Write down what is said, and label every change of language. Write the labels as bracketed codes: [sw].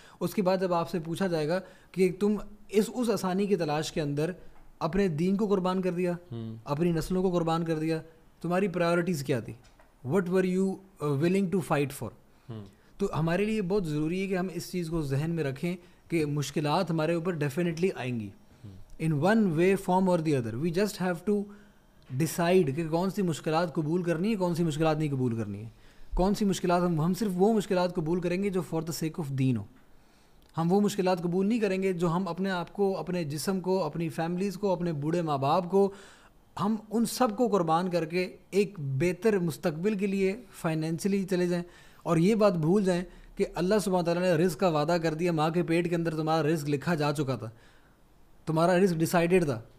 [ur] اس کے بعد جب آپ سے پوچھا جائے گا کہ تم اس آسانی کی تلاش کے اندر اپنے دین کو قربان کر دیا, اپنی نسلوں کو قربان کر دیا, تمہاری پرائیورٹیز کیا تھی, [en] What were you willing to fight for. [ur] تو ہمارے لیے بہت ضروری ہے کہ ہم اس چیز کو ذہن میں رکھیں کہ مشکلات ہمارے اوپر ڈیفینیٹلی آئیں گی [en] In one way form or the other. We just have to decide [ur] کہ کون سی مشکلات قبول کرنی ہے, کون سی مشکلات نہیں قبول کرنی ہے. کون سی مشکلات ہم صرف وہ مشکلات قبول کریں گے جو [en] for the sake of [ur] دین ہو. ہم وہ مشکلات قبول نہیں کریں گے جو ہم اپنے آپ کو, اپنے جسم کو, اپنی فیملیز کو, اپنے بوڑھے ماں باپ کو, ہم ان سب کو قربان کر کے ایک بہتر مستقبل کے لیے فائنینشلی چلے جائیں. اور یہ بات بھول جائیں کہ اللہ سبحانہ تعالیٰ نے رزق کا وعدہ کر دیا, ماں کے پیٹ کے اندر تمہارا رزق لکھا جا چکا تھا, تمہارا رزق ڈیسائڈیڈ تھا.